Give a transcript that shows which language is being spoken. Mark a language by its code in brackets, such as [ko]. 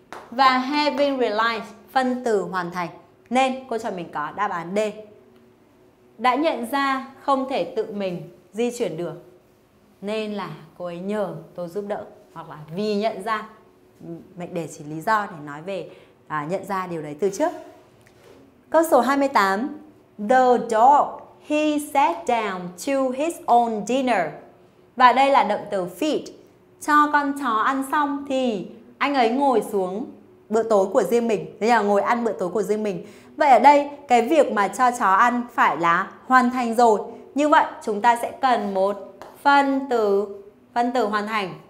[vi] Và having realized phân từ hoàn thành. Nên cô cho mình có đáp án D. Đã nhận ra không thể tự mình di chuyển được, nên là cô ấy nhờ tôi giúp đỡ. Hoặc là vì nhận ra, mệnh đề chỉ lý do để nói về nhận ra điều đấy từ trước. Câu số 28. [en] The dog, he sat down to his own dinner. [vi] Và đây là động từ feed. Cho con chó ăn xong thì anh ấy ngồi xuống bữa tối của riêng mình. Thế là ngồi ăn bữa tối của riêng mình. Vậy ở đây cái việc mà cho chó ăn phải là hoàn thành rồi. Như vậy chúng ta sẽ cần một phân từ hoàn thành.